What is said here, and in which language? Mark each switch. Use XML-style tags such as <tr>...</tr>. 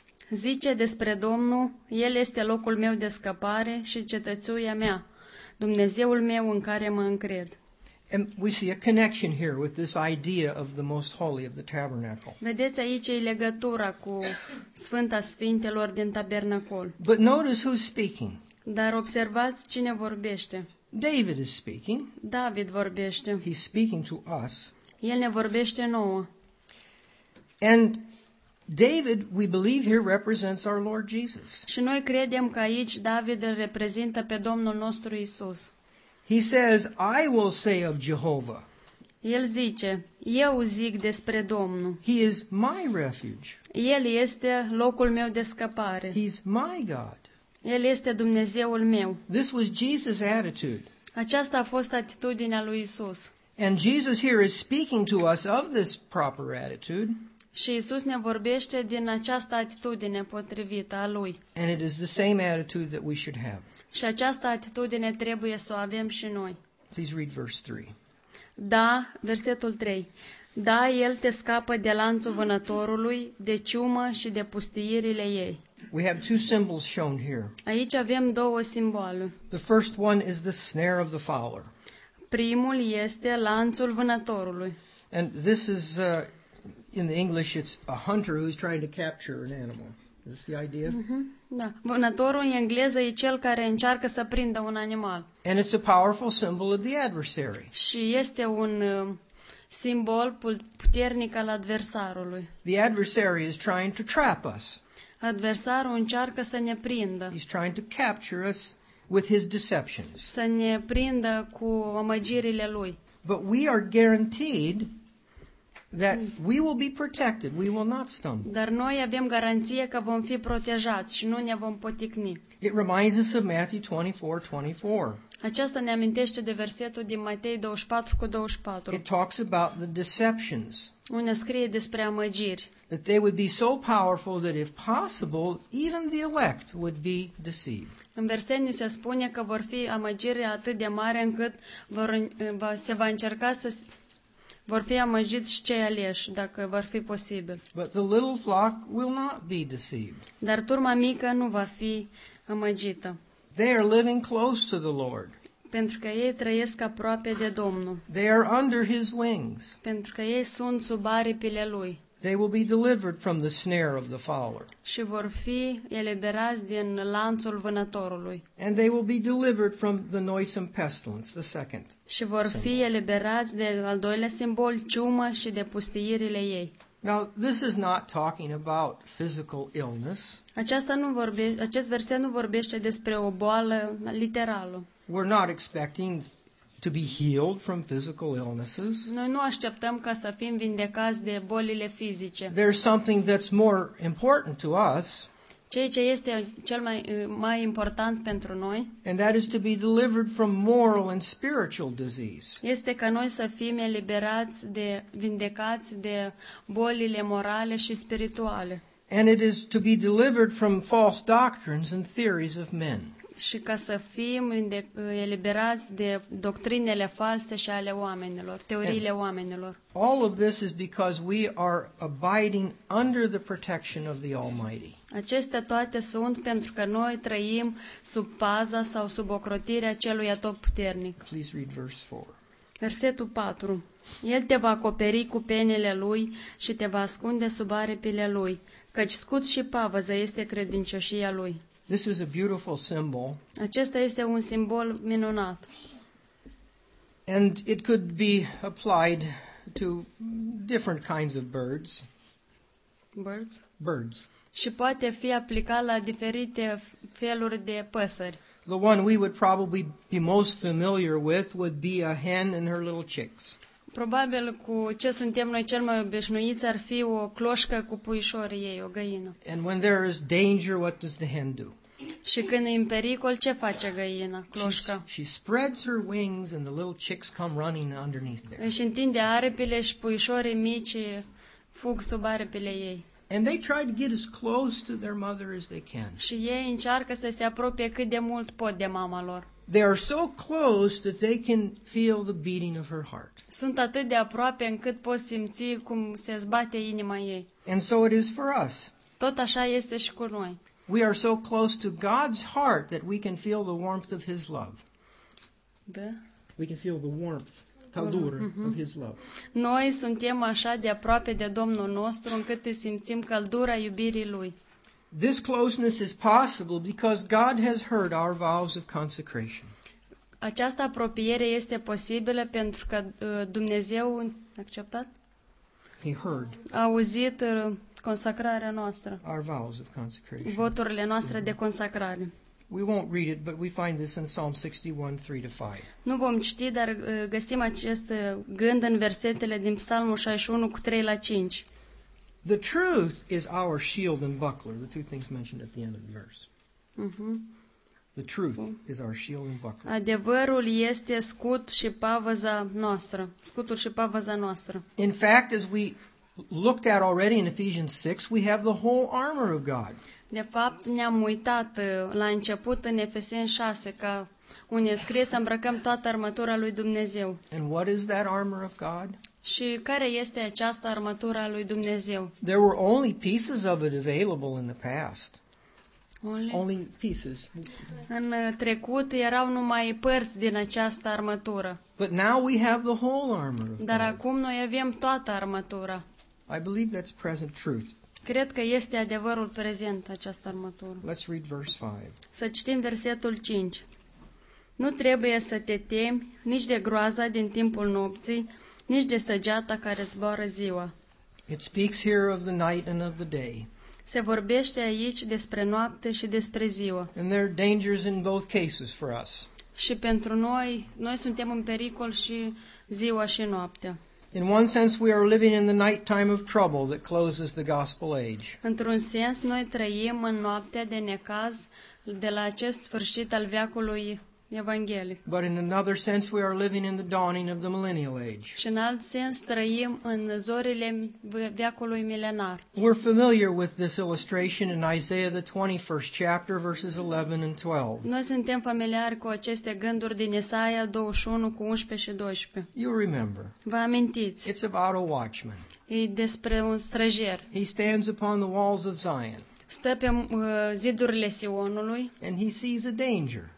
<ro>Zice despre Domnul, El este locul meu de scăpare și cetățuia mea. Dumnezeul meu în care mă încred.</ro> <en>And we see a connection here with this idea of the most holy of the tabernacle.</en> <ro>Vedeți aici e legătura cu Sfânta Sfintelor din tabernacol.</ro> <en>But notice who's speaking.</en> <ro>Dar observați cine vorbește.</ro> <en>David is speaking.</en> <ro>David vorbește.</ro> <en>He's speaking to us.</en> <ro>El ne vorbește nouă.</ro> <en>And David, we believe here represents our Lord Jesus.</en> <ro>Și noi credem că aici David îl reprezintă pe Domnul nostru Isus.</ro> <en>He says, I will say of Jehovah.</en> <ro>El zice, eu zic despre Domnul.</ro> <en>He is my refuge.</en> <ro>El este locul meu de scăpare.</ro> <en>He's my God.</en> <ro>El este Dumnezeul meu.</ro> <en>This was Jesus' attitude.</en> <ro>Aceasta a fost atitudinea lui Isus.</ro> <en>And Jesus here is speaking to us of this proper attitude.</en> <ro>Și Iisus ne vorbește din această atitudine potrivită a Lui.</ro> <en>And it is the same attitude that we should have.</en> <ro>Și această atitudine trebuie să o avem și noi.</ro> <en>Please read verse 3.</en> <ro>Da, versetul 3. Da, El te scapă de lanțul vânătorului, de ciumă și de pustiirile ei.</ro> <en>We have two symbols shown here.</en> <ro>Aici avem două simboluri.</ro> <en>The first one is the snare of the fowler.</en> <ro>Primul este lanțul vânătorului.</ro> <en>And this is... In the English, it's a hunter who's trying to capture an animal. Is the idea?</en> <ro>Da. Vânătorul în engleză e cel care încearcă să prindă un animal.</ro> <en>And it's a powerful symbol of the adversary.</en> <ro>Și este un simbol puternic al adversarului.</ro> <en>The adversary is trying to trap us.</en> <ro>Adversarul încearcă să ne prindă.</ro> <en>He's trying to capture us with his deceptions.</en> <ro>Să ne prindă cu amăgirile lui.</ro> <en>But we are guaranteed that we will be protected, we will not stumble.</en> <ro>Dar noi avem garanție că vom fi protejați și nu ne vom poticni.</ro> <en>It reminds us of Matthew 24:24.</en> <ro>Aceasta ne amintește de versetul din Matei 24:24.</ro> <en>It talks about the deceptions.</en> <ro>Unde scrie despre amăgiri.</ro> <en>That they would be so powerful that if possible, even the elect would be deceived.</en> <ro>În verset ni se spune că vor fi amăgiri atât de mari încât se va încerca să vor fi amăgiți și cei aleși, dacă vor fi posibil.</ro> <en>But the little flock will not be deceived.</en> <ro>Dar turma mică nu va fi amăgită.</ro> <en>They are living close to the Lord.</en> <ro>Pentru că ei trăiesc aproape de Domnul.</ro> <en>They are under His wings.</en> <ro>Pentru că ei sunt sub aripile Lui.</ro> <en>They will be delivered from the snare of the fowler.</en> <ro>Și vor fi eliberați din lanțul vânătorului.</ro> <en>And they will be delivered from the noisome pestilence, the second.</en> <ro>Și vor fi eliberați de al doilea simbol, ciumă și de pustiirile ei.</ro> <en>Now, this is not talking about physical illness.</en> <ro>Acest verset nu vorbește despre o boală literală.</ro> <en>We're not expecting to be healed from physical illnesses.</en> <ro>Noi nu așteptăm ca să fim vindecați de bolile fizice.</ro> <en>There's something that's more important to us.</en> <ro>Ceea ce este cel mai important pentru noi.</ro> <en>And that is to be delivered from moral and spiritual disease.</en> <ro>Este ca noi să fim eliberați de vindecați de bolile morale și spirituale.</ro> <en>And it is to be delivered from false doctrines and theories of men.</en> <ro>Și ca să fim eliberați de doctrinele false și ale oamenilor, teoriile oamenilor.</ro> <en>All of this is because we are abiding under the protection of the Almighty.</en> <ro>Acestea toate sunt pentru că noi trăim sub paza sau sub ocrotirea celui atotputernic.</ro> <en>Please read verse 4.</en> <ro>Versetul 4. El te va acoperi cu penele lui și te va ascunde sub aripile lui, căci scut și pavăză este credincioșia lui.</ro> <en>This is a beautiful symbol.</en> <ro>Acesta este un simbol minunat.</ro> <en>And it could be applied to different kinds of birds. Birds? Birds.</en> <ro>Și poate fi aplicat la diferite feluri de păsări.</ro> <en>The one we would probably be most familiar with would be a hen and her little chicks.</en> <ro>Probabil cu ce suntem noi cel mai obișnuiți ar fi o cloșcă cu puișorii ei, o găină.</ro> <en>And when there is danger, what does the hen do?</en> <ro>Și când e în pericol, ce face găina, cloșca?</ro> <en>She spreads her wings and the little chicks come running underneath there.</en> <ro>Își întinde aripile și puișorii mici fug sub aripile ei.</ro> <en>And they try to get as close to their mother as they can.</en> <ro>Și ei încearcă să se apropie cât de mult pot de mama lor.</ro> <en>They are so close that they can feel the beating of her heart.</en> <ro>Sunt atât de aproape încât pot simți cum se zbate inima ei.</ro> <en>And so it is for us.</en> <ro>Tot așa este și cu noi.</ro> <en>We are so close to God's heart that we can feel the warmth of His love.</en> <ro>Da.</ro> <en>We can feel the warmth, căldură, of His love.</en> <ro>Noi suntem așa de aproape de Domnul nostru încât îi simțim căldura iubirii Lui.</ro> <en>This closeness is possible because God has heard our vows of consecration.</en> <ro>Această apropiere este posibilă pentru că Dumnezeu a acceptat.</ro> <en>He heard.</en> <ro>A auzit consacrarea noastră.</ro> <en>Our vows of consecration.</en> <ro>Voturile noastre de consacrare.</ro> <en>We won't read it, but we find this in Psalm 61, 3-5.</en> <ro>Nu vom citi, dar găsim acest gând în versetele din Psalmul 61 cu 3-5.</ro> <en>The truth is our shield and buckler, the two things mentioned at the end of the verse. The truth is our shield and buckler.</en> <ro>Adevărul este scut și pavăza noastră, scutul și pavăza noastră.</ro> <en>In fact, as we looked at already in Ephesians 6, we have the whole armor of God.</en> <ro>De fapt, ne-am uitat la început în Efeseni 6 că unde scrie să îmbrăcăm toată armătura lui Dumnezeu.</ro> <en>And what is that armor of God?</en> <ro>Și care este această armătură a lui Dumnezeu?</ro> <en>There were only pieces of it available in the past. Only pieces.</en> <ro>În trecut erau numai părți din această armătură.</ro> <en>But now we have the whole armor.</en> <ro>Dar acum noi avem toată armătura.</ro> <en>I believe that's present truth.</en> <ro>Cred că este adevărul prezent această armătură.</ro> <en>Let's read verse 5.</en> <ro>Să citim versetul 5. Nu trebuie să te temi nici de groaza din timpul nopții, nici de săgeata care zboară ziua.</ro> <en>It speaks here of the night and of the day.</en> <ro>Se vorbește aici despre noapte și despre ziua.</ro> <en>And there are dangers in both cases for us.</en> <ro>Și pentru noi, noi suntem în pericol și ziua și noaptea.</ro> <en>In one sense we are living in the night time of trouble that closes the gospel age.</en> <ro>Într-un sens noi trăim în noaptea de necaz de la acest sfârșit al veacului evanghelic.</ro> <en>But in another sense we are living in the dawning of the millennial age.</en> <ro>Și în alt sens trăim în zorile veacului milenar.</ro> <en>We're familiar with this illustration in Isaiah the 21st chapter verses 11 and 12.</en> <ro>Noi suntem familiari cu aceste gânduri din Isaia 21 cu 11 și 12.</ro> <en>You remember.</en> <ro>Vă amintiți.</ro> <en>It's about a watchman.</en> <ro>E despre un străjer.</ro> <en>He stands upon the walls of Zion.</en> <ro>Stă pe zidurile Sionului.</ro> <en>And he sees a danger.</en>